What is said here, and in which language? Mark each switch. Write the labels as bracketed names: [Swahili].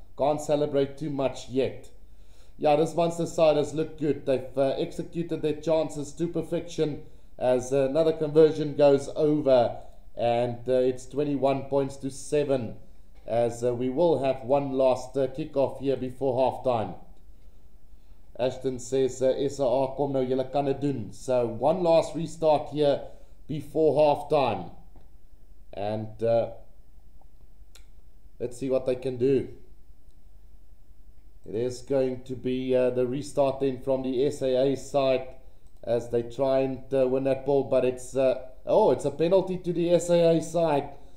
[English] Can't celebrate too much yet. Yeah, this Munster side has looked good. They've executed their chances to perfection as another conversion goes over. And it's 21 points to 7 as we will have one last kickoff here before halftime. Ashton says, [Afrikaans] SAA, kom nou, julle kan het doen. [English] So one last restart here before halftime. And let's see what they can do. It is going to be the restart then from the SAA side as they try and win that ball. But it's a penalty to the SAA side.